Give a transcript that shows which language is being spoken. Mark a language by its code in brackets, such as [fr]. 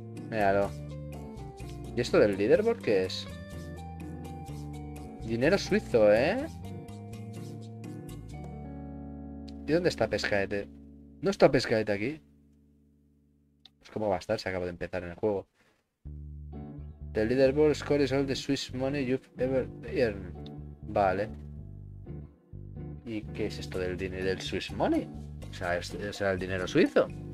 [es] Míralo. ¿Y esto del leaderboard qué es? Dinero suizo, ¿eh? ¿Y dónde está Pescaete? ¿No está Pescaete aquí? Pues cómo va a estar si acabo de empezar en el juego. [en] The leaderboard score is all the Swiss money you've ever earned. [es] Vale. ¿Y qué es esto del dinero del Swiss money? O sea, ¿será el dinero suizo?